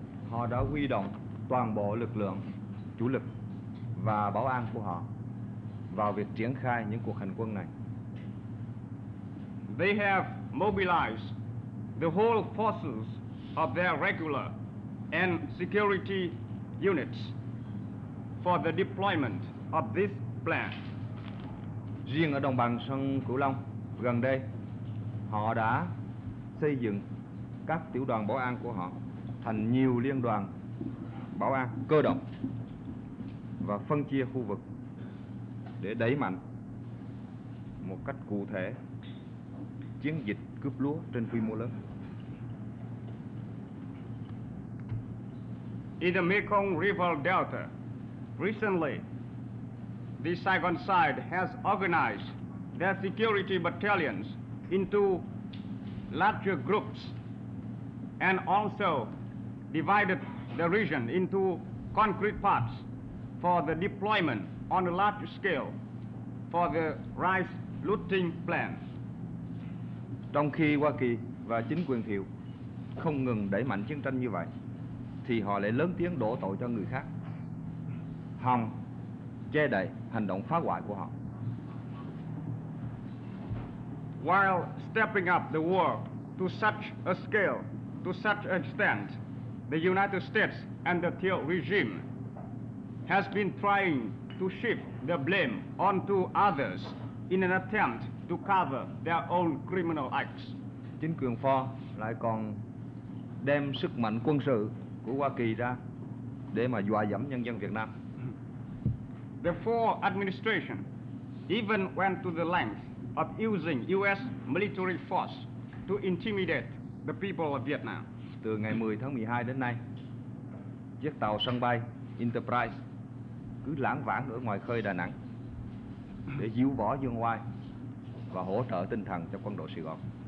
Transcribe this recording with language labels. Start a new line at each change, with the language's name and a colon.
Vietnamese: Họ đã huy động toàn bộ lực lượng chủ lực và bảo an của họ vào việc triển khai những cuộc hành quân này.
English: They have mobilized the whole forces of their regular and security units for the deployment of this plan.
Vietnamese: Riêng ở đồng bằng sông Cửu Long, gần đây họ đã xây dựng các tiểu đoàn bảo an của họ thành nhiều liên đoàn bảo an cơ động và phân chia khu vực để đẩy mạnh một cách cụ thể chiến dịch cướp lúa trên quy mô lớn.
English: In the Mekong River Delta, recently, the Saigon side has organized their security battalions into larger groups and also divided the region into concrete parts for the deployment on a large scale for the rice looting plan.
Vietnamese: Trong khi Hoa Kỳ và chính quyền Thiệu không ngừng đẩy mạnh chiến tranh như vậy, thì họ lại lớn tiếng đổ tội cho người khác, hòng che đậy hành động phá hoại của họ.
English: While stepping up the war to such a scale, to such an extent, the United States under Thieu regime has been trying to shift the blame onto others in an attempt to cover their own criminal acts.
Vietnamese: Chính quyền Pho lại còn đem sức mạnh quân sự của Hoa Kỳ ra để mà dọa dẫm nhân dân Việt Nam.
English: The Pho administration even went to the length of using U.S. military force to intimidate the people of Vietnam.
Vietnamese: Từ ngày 10 tháng 12 đến nay, chiếc tàu sân bay Enterprise cứ lảng vảng ở ngoài khơi Đà Nẵng để díu võ dương oai và hỗ trợ tinh thần cho quân đội Sài Gòn.